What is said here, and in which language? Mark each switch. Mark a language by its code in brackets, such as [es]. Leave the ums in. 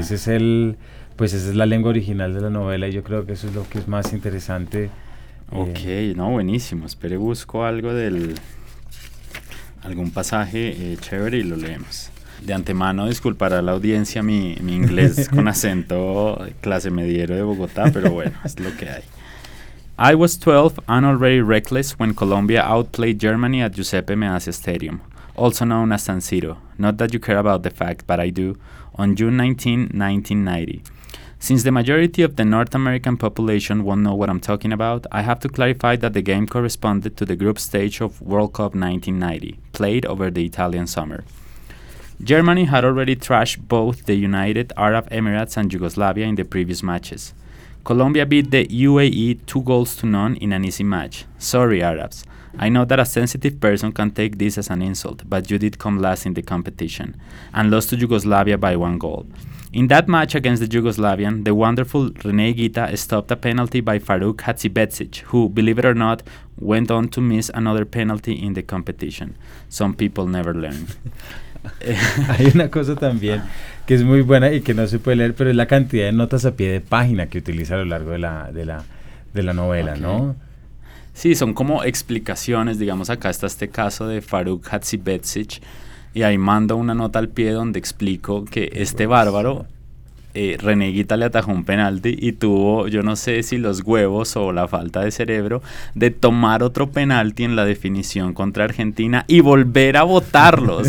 [es] ese es el, pues esa es la lengua original de la novela y yo creo que eso es lo que es más interesante. eh, Ok, no, buenísimo. Espere, busco algo del. algún pasaje eh, chévere y lo leemos. De antemano, disculpará a la audiencia mi, mi inglés con acento clase mediero de Bogotá, pero bueno, es lo que hay. [en] I was 12 and already reckless when Colombia outplayed Germany at Giuseppe Meazza Stadium, also known as San Siro. Not that you care about the fact, but I do, on June 19, 1990. Since the majority of the North American population won't know what I'm talking about, I have to clarify that the game corresponded to the group stage of World Cup 1990, played over the Italian summer. Germany had already thrashed both the United Arab Emirates and Yugoslavia in the previous matches. Colombia beat the UAE two goals to none in an easy match. Sorry, Arabs. I know that a sensitive person can take this as an insult, but you did come last in the competition and lost to Yugoslavia by one goal. In that match against the Yugoslavian, the wonderful Rene Gita stopped a penalty by Farouk Hatzibetsic, who, believe it or not, went on to miss another penalty in the competition. Some people never learn. [es] Hay una cosa también que es muy buena y que no se puede leer, pero es la cantidad de notas a pie de página que utiliza a lo largo de la, de la, de la novela, Ok. ¿no? Sí, son como explicaciones, digamos acá está este caso de Faruk Hatzibetsic y ahí mando una nota al pie donde explico que este bárbaro eh, Reneguita le atajó un penalti y tuvo, yo no sé si los huevos o la falta de cerebro, de tomar otro penalti en la definición contra Argentina y volver a votarlo.